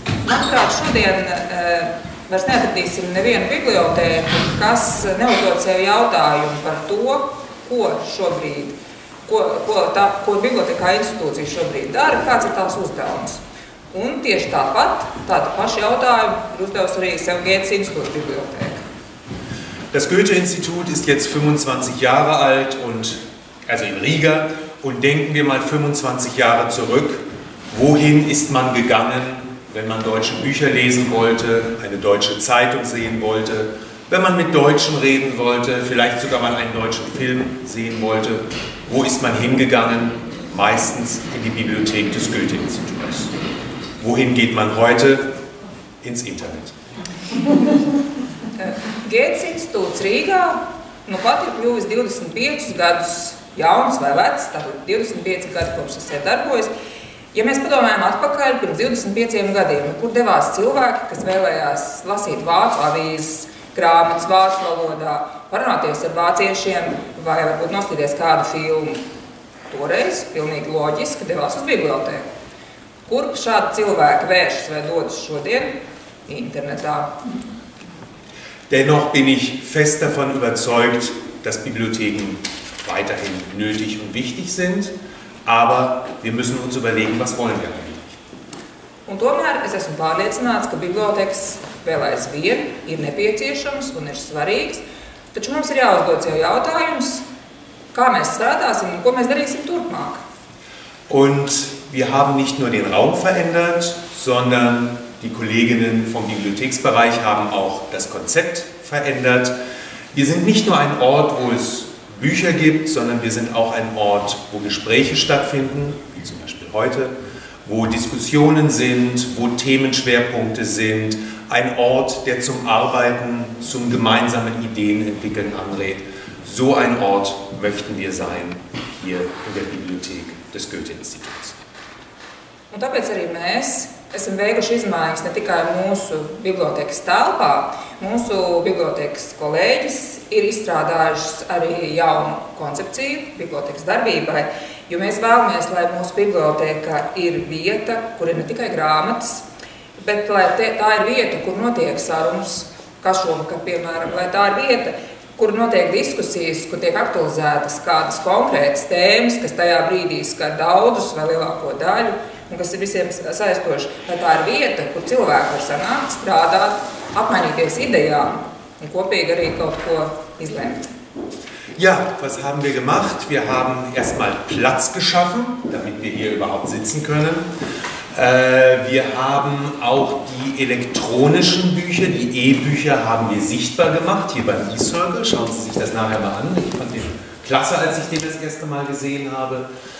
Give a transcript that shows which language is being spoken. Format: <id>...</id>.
<lv>Manuprāt, šodien vairs neatradīsim nevienu bibliotēku, kas neuzdod sev jautājumu par to, ko šobrīd, ko bibliotēkā institūcija šobrīd dara, kāds ir tās uzdevums. Un tieši tāpat, tādu pašu jautājumu ir uzdevusi arī sev Goethe institūta bibliotēka.</lv> <de>Das Goethe-Institut ist jetzt 25 Jahre alt und, also in Riga, und denken wir mal 25 Jahre zurück, wohin ist man gegangen, wenn man deutsche Bücher lesen wollte, eine deutsche Zeitung sehen wollte, wenn man mit Deutschen reden wollte, vielleicht sogar mal einen deutschen Film sehen wollte, wo ist man hingegangen? Meistens in die Bibliothek des Goethe-Instituts. Wohin geht man heute? Ins Internet.</de> <lv>Goethe-Instituts Rīgā nu pat ir kļuvis 25 gadus jauns vai vecs, tātad 25 gadus kopš tas iedarbojas. Ja mēs padomājam atpakaļ pirms 25 gadiem, kur devās cilvēki, kas vēlējās lasīt vācu avīzes, grāmatas vācu valodā, parunāties ar vāciešiem vai varbūt noskatīties kādu filmu, toreiz pilnīgi loģiski devās uz bibliotēku. Kur šādi cilvēki vēršas vai dodas šodien internetā?</lv> <de>Dennoch bin ich fest davon überzeugt, dass Bibliotheken weiterhin nötig und wichtig sind, aber wir müssen uns überlegen, was wollen wir eigentlich.</de> <lv>Un tomēr es esmu pārliecināts, ka bibliotekas vēl aizvien ir nepieciešamas un ir svarīgas, taču mums ir jāuzdod sev jautājums, kā mēs strādāsim un ko mēs darīsim turpmāk.</lv> <de>Und wir haben nicht nur den Raum verändert, sondern die Kolleginnen vom Bibliotheksbereich haben auch das Konzept verändert. Wir sind nicht nur ein Ort, wo es Bücher gibt, sondern wir sind auch ein Ort, wo Gespräche stattfinden, wie zum Beispiel heute, wo Diskussionen sind, wo Themenschwerpunkte sind, ein Ort, der zum Arbeiten, zum gemeinsamen Ideenentwickeln anregt. So ein Ort möchten wir sein, hier in der Bibliothek des Goethe-Instituts.</de> <lv>Und tāpēc arī mēs esam veikuši izmaiņas ne tikai mūsu bibliotekas telpā, mūsu bibliotekas kolēģis ir izstrādājušas arī jaunu koncepciju bibliotekas darbībai, jo mēs vēlamies, lai mūsu bibliotekā ir vieta, kur ir ne tikai grāmatas, bet lai tā ir vieta, kur notiek sarunas, kā šovakar, piemēram, lai tā ir vieta, kur notiek diskusijas, kur tiek aktualizētas kādas konkrētas tēmas, kas tajā brīdī skar daudzus vai lielāko daļu, un kas ir visiem saistoši, lai tā ir vieta, kur cilvēki var sanākt, strādāt, apmainīties idejām un kopīgi arī kaut ko izlemt.</lv> <de>Ja, was haben wir gemacht? Wir haben erstmal Platz geschaffen, damit wir hier überhaupt sitzen können. Wir haben auch die elektronischen Bücher, die E-Bücher haben wir sichtbar gemacht, hier beim E-Circle. Schauen Sie sich das nachher mal an. Ich fand den klasse, als ich den das erste Mal gesehen habe.</de>